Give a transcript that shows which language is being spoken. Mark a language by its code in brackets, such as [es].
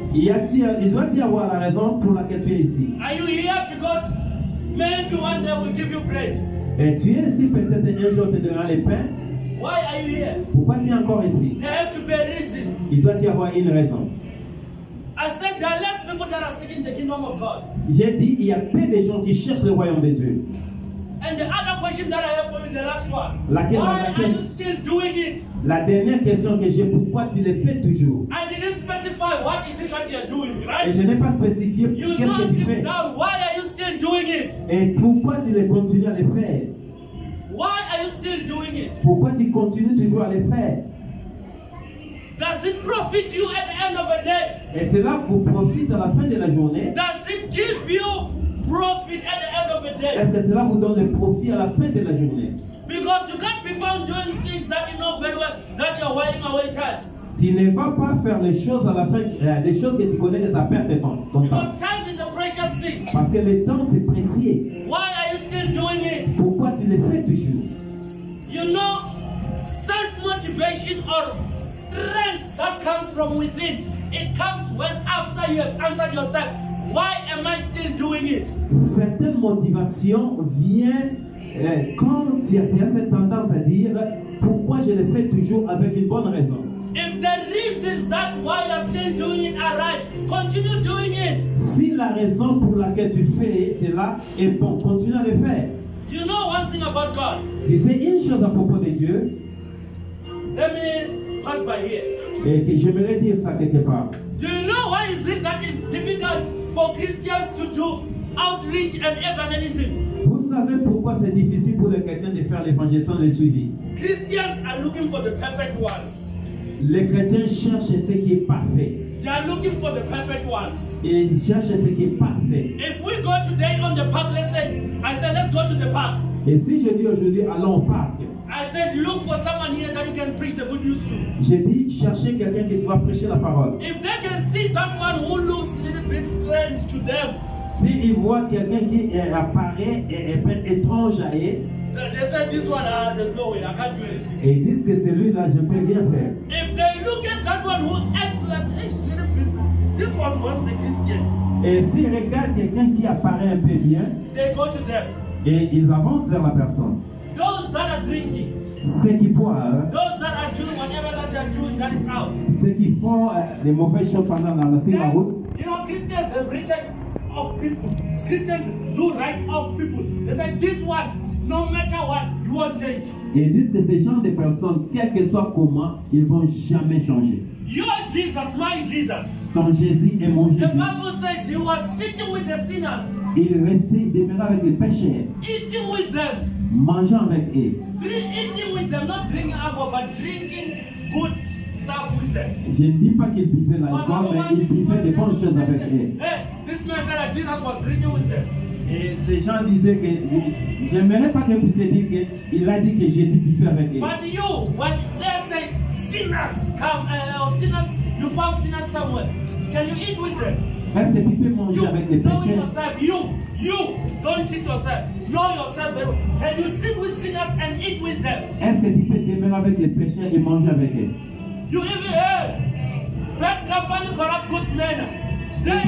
[fr] Il doit y avoir la raison pour laquelle tu es ici. [en] Are you here because maybe one day will give you bread? [fr] Et tu es ici peut-être un jour te donnera les pains. [en] Why are you here? [fr] Pourquoi tu es encore ici? [en] There have to be a reason. [fr] Il doit y avoir une raison. [en] I said there are less people that are seeking the kingdom of God. [fr] J'ai dit il y a peu de gens qui cherchent le royaume de Dieu. [en] And the other question that I have for you, the last one. Why are you still doing it? [fr] La dernière question que j'ai, pourquoi tu le fais toujours? [en] I didn't specify what is it that you are doing, right? [fr] Et je n'ai pas spécifié qu'est-ce que tu fais. [en] Now, why are you still doing it? [fr] Et pourquoi tu le continues à le faire? [en] Why are you still doing it? [fr] Pourquoi tu continues toujours à le faire? [en] Does it profit you at the end of the day? [fr] Et cela vous profite à la fin de la journée? [en] Does it give you profit at the end of the day? [fr] Est-ce que cela vous donne le profit à la fin de la journée? [en] Because you can't be found doing things that you know very well that you're wasting away time. [fr] Tu ne vas pas faire les choses à la fin, les choses que tu connais que tu as perdu ton temps. [en] Because time is a precious thing. [fr] Parce que le temps c'est précieux. [en] Why are you still doing it? [fr] Pourquoi tu le fais toujours? [en] You know, self-motivation or strength that comes from within, it comes when after you have answered yourself. Why am I still doing it? [fr] Certaines motivations viennent quand tu as cette tendance à dire pourquoi je le fais toujours avec une bonne raison. [en] If the reasons that why you are still doing it are right, continue doing it. [fr] Si la raison pour laquelle tu fais cela est bon, continue à le faire. [en] You know one thing about God. [fr] Tu sais une chose à propos de Dieu. [en] Let me pass by here. [fr] Et que j'aimerais dire ça quelque part. [en] Do you know why is it that it's difficult for Christians to do outreach and evangelism? [fr] Vous savez pourquoi c'est difficile pour les chrétiens de faire l'évangélisation et le suivi? [en] Christians are looking for the perfect ones. [fr] Les chrétiens cherchent ce qui est parfait. [en] They are looking for the perfect ones. [fr] Ils cherchent ce qui est parfait. [en] If we go today on the park, let's say, I said, let's go to the park. [fr] Et si je dis aujourd'hui, allons au parc. [en] I said, look for someone here that you can preach the good news to. [fr] J'ai dit, cherchez quelqu'un qui va prêcher la parole. [en] If they can see that man who looks a little bit strange to them. [fr] Si ils voient quelqu'un qui apparaît et est un peu étrange à eux. [en] They said, this one, there's no way, I can't do anything. [fr] Et ils disent que c'est lui là, je ne peux rien faire. [en] If they look at that one who acts like, hey, little bit, this one wants a Christian. [fr] Et s'ils regardent quelqu'un qui apparaît un peu bien. [en] They go to them. [fr] Et ils avancent vers la personne. [en] Those that are drinking. [fr] Ceux qui boivent. [en] Those that are doing whatever that they are doing that is out. [fr] Ceux qui font les mauvaises choses pendant la route. [en] You know, Christians have written off people. Christians do write off people. They say, this one, no matter what, you won't change. [fr] Ils disent que ces gens de personnes, quel que soit comment, ils ne vont jamais changer. [en] Your Jesus, my Jesus. [fr] Ton Jésus est mon Jésus. [en] The Bible says he was sitting with the sinners. [fr] Il restait, demeurait avec les pécheurs. [en] Eating with them. [fr] Mangeant avec eux. [en] Eating with them, not drinking alcohol, but drinking good stuff with them. [fr] Je ne dis pas qu'il buvait l'alcool, mais il buvait des bonnes choses avec eux. [en] Hey, this man said that Jesus was drinking with them. [fr] Et ces gens disaient que j'aimerais pas que vous puissiez dire qu'il a dit que j'ai dit buvait avec eux. [en] But you, when they say sinners come, or sinners, you found sinners somewhere, can you eat with them? [fr] Est-ce que tu peux manger [en] you, [fr] avec les pécheurs? [en] Know yourself, you, don't cheat yourself. Know yourself, can you sit with sinners and eat with them? [fr] Est-ce que tu peux demeurer avec les pécheurs et manger avec eux? [en] You even heard, bad company corrupt good men.